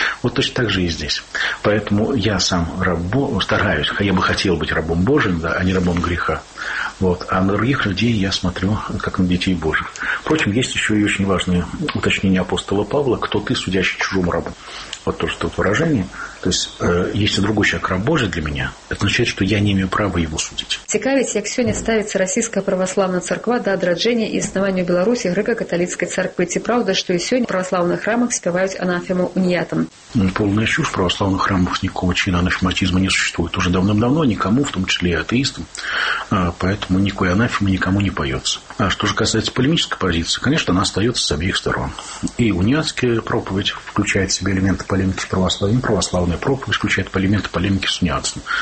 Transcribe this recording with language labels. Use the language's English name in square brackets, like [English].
[Russian] Вот точно так же и здесь. Поэтому я сам стараюсь, я бы хотел быть рабом Божьим, да, а не рабом греха. Вот. А на других людей я смотрю, как на детей Божьих. Впрочем, есть еще и очень важное уточнение апостола Павла: «Кто ты, судящий чужому рабу?» Вот то, что тут выражение. То есть, если другой человек раб Божий для меня, это означает, что я не имею права его судить. [Ukrainian] Цікавить, як сьогодні ставиться Російська православна церква до одродження і існування в Білорусі греко-католицької церкви. Ці правда, що і сьогодні в православних храмах співають анафему уніятам? Повна чушь. [Russian] В православних храмах никакого чина анафематизма не существует. Уже давным-давно никому, в том числе и атеистам. Поэтому никакой анафемы никому не поется. А что же касается полемической позиции, конечно, она остается с обеих сторон. И униатская проповедь включает в себя элементы полемики с православием, православная проповедь включает элементы полемики с униатством.